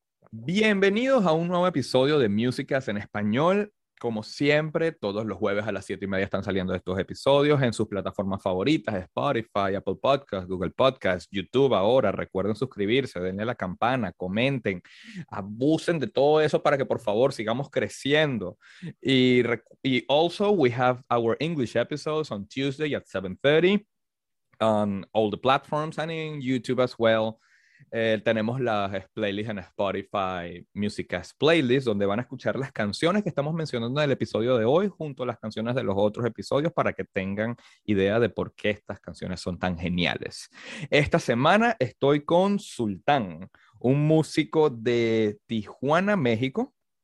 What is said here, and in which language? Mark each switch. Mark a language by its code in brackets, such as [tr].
[es] Bienvenidos a un nuevo episodio de Musicas en Español. Como siempre, todos los jueves a las 7 y media están saliendo estos episodios en sus plataformas favoritas, Spotify, Apple Podcasts, Google Podcasts, YouTube. Ahora recuerden suscribirse, denle a la campana, comenten, abusen de todo eso para que por favor sigamos creciendo. [en] Y also, we have our English episodes on Tuesday at 7:30 on all the platforms and in YouTube as well. [es] Tenemos las playlists en Spotify, Musicas Playlist, donde van a escuchar las canciones que estamos mencionando en el episodio de hoy, junto a las canciones de los otros episodios, para que tengan idea de por qué estas canciones son tan geniales. Esta semana estoy con Sultán, un músico de Tijuana, México.